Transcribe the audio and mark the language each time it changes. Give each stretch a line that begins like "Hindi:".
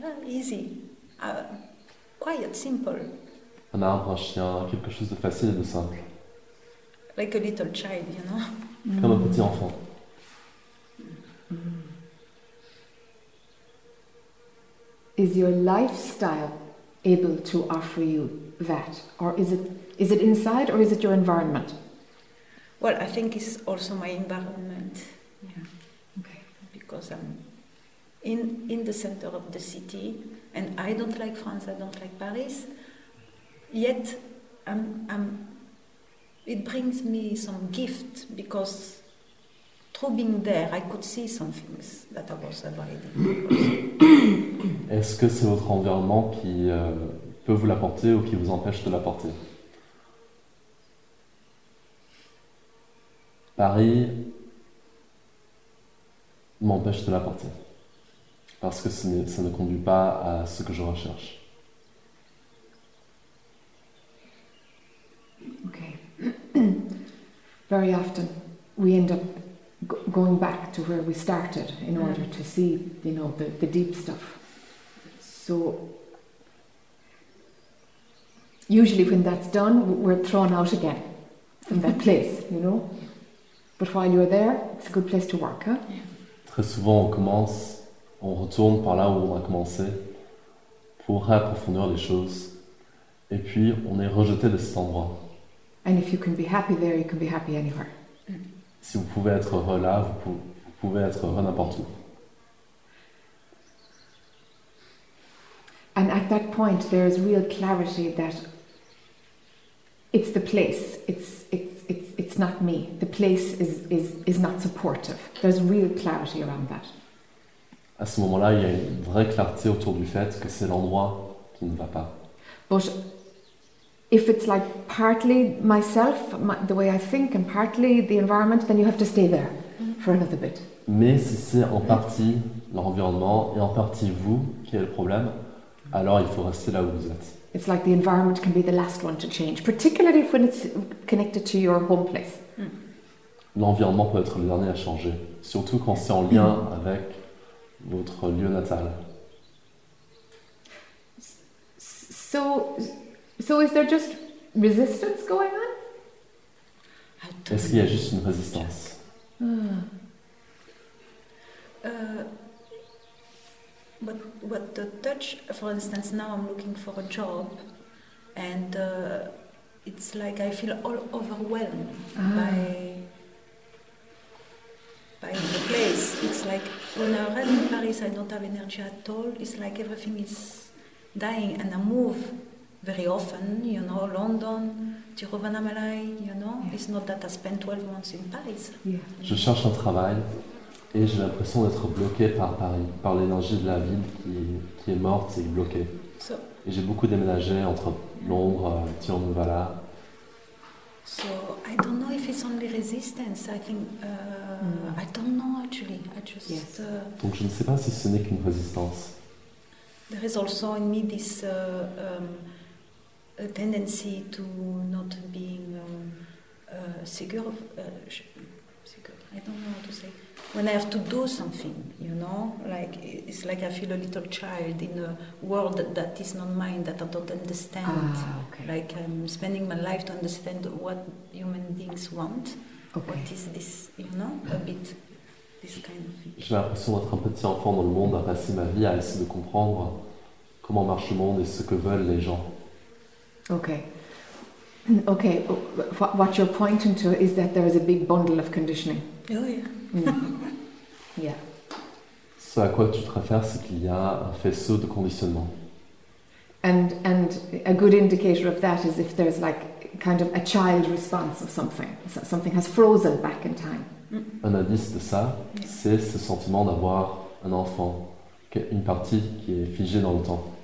English: Easy. Quiet, simple.
French: Un arbre, un chien, quelque chose de facile et de simple.
English: Like a little child, you know?
French: Comme un petit enfant.
English: Is your lifestyle able to offer you that? Or is it inside or is it your environment? Well, I think it's also my environment. Yeah. Okay. Because I'm in the center of the city and I don't like France, I don't like Paris. Yet I'm it brings me some gift because through being there, I could see some things that I was avoiding.
French: Est-ce que c'est votre environnement qui peut vous l'apporter ou qui vous empêche de l'apporter? Paris m'empêche de l'apporter parce que ça ne conduit pas à ce que je recherche.
English: Very often, we end up going back to where we started in order to see, you know, the deep stuff. So, usually when that's done, we're thrown out again from that place, you know. But while you're there, it's a good place to work, huh?
French: Très souvent, on commence, on retourne par là où on a commencé pour réapprofondir les choses. Et puis, on est rejeté de cet endroit.
English: And if you can be happy there, you can be happy anywhere.
French: Si vous pouvez être heureux là, vous pouvez être heureux n'importe où.
English: And at that point, there is real clarity that it's the place. It's not me. The place is not supportive. There's real clarity around that.
French: À ce moment-là, il y a une vraie clarté autour du fait que c'est l'endroit qui ne va pas.
English: But if it's like partly myself, the way I think, and partly the environment, then you have to stay there for another bit.
French: Mais si c'est en partie l'environnement et en partie vous qui est le problème, alors il faut rester là où vous êtes.
English: It's like the environment can be the last one to change, particularly when it's connected to your home place.
French: L'environnement peut être le dernier à changer, surtout quand c'est en lien avec votre lieu natal.
English: So is there just resistance going on?
French: Est-ce qu'il y a juste une résistance?
English: But the touch, for instance, now I'm looking for a job, and it's like I feel all overwhelmed by the place. It's like when I arrive in Paris, I don't have energy at all. It's like everything is dying, and I move very often, you know, London, Tiruvannamalai, you know, yeah. It's not that I spent 12 months in Paris. Yeah.
French: Je cherche un travail et j'ai l'impression d'être bloqué par Paris, par l'énergie de la ville qui est morte et bloquée.
English: So,
French: et j'ai beaucoup déménagé entre Londres, Tiruvannamalai.
English: So, I don't know if it's only resistance, I think, I don't know actually, I just... Yes.
French: Donc je ne sais pas si ce n'est qu'une résistance.
English: There is also in me this a tendency to not being secure. I don't know how to say. When I have to do something, you know, like it's like I feel a little child in a world that is not mine, that I don't understand. Ah, okay. Like I'm spending my life to understand what human beings want. What is this, you know, a bit, this kind of thing.
French: J'ai l'impression d'être un petit enfant dans le monde, à passer ma vie à essayer de comprendre comment marche le monde et ce que veulent les gens.
English: Okay. What you're pointing to is that there is a big bundle of conditioning. Oh yeah. Yeah.
French: Ce à quoi tu te réfères, c'est qu'il y a un faisceau de conditionnement.
English: And a good indicator of that is if there's like kind of a child response of something. So something has frozen back in time.
French: Un indice de ça, c'est ce sentiment d'avoir un enfant, une partie qui est figée dans le temps.